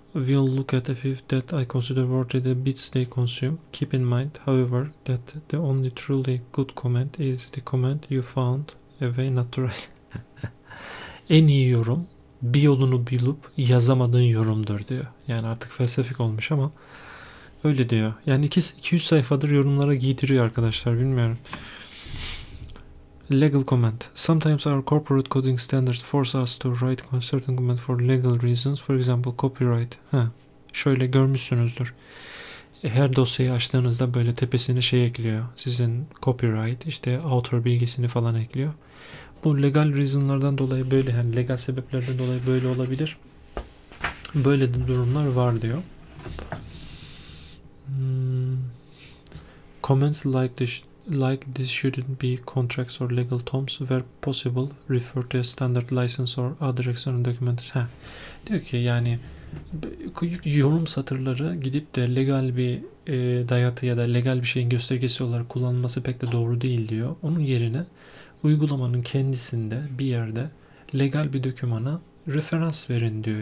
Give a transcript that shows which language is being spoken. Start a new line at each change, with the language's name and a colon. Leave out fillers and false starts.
English: We'll look at a few that I consider worthy the bits they consume. Keep in mind, however, that the only truly good comment is the comment you found a way not to write.
Turkish: En iyi yorum bir yolunu bulup yazamadığın yorumdur diyor. Yani artık felsefik olmuş ama öyle diyor. Yani 200 sayfadır yorumlara giydiriyor arkadaşlar, bilmiyorum.
English: Legal comment. Sometimes our corporate coding standards force us to write certain comment for legal reasons. For example, copyright.
Turkish: Ha. Şöyle görmüşsünüzdür. Her dosyayı açtığınızda böyle tepesine şey ekliyor. Sizin copyright, işte author bilgisini falan ekliyor. Bu legal reasonlardan dolayı böyle, yani legal sebeplerden dolayı böyle olabilir. Böyle de durumlar var diyor.
English: Comments like this shouldn't be contracts or legal terms where possible refer to a standard license or other external document. Ha.
Turkish: Diyor ki yani yorum satırları gidip de legal bir dayatı ya da legal bir şeyin göstergesi olarak kullanılması pek de doğru değil diyor. Onun yerine uygulamanın kendisinde bir yerde legal bir dokümana referans verin diyor.